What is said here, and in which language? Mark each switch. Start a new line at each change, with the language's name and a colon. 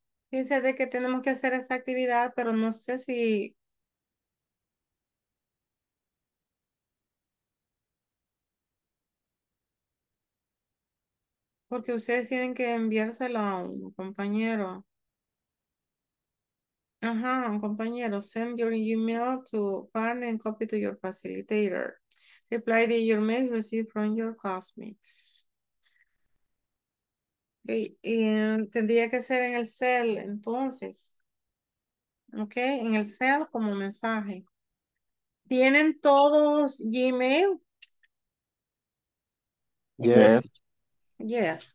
Spanish: Fíjense de que tenemos que hacer esta actividad, pero no sé si... Porque ustedes tienen que enviárselo a un compañero. Ajá, un compañero.
English: Send your email to partner and copy to your facilitator. Reply to your mail received from your classmates.
Spanish: Y tendría que ser en el cel, entonces. Ok, en el cel como mensaje. ¿Tienen todos Gmail?
English: Yes. Yes.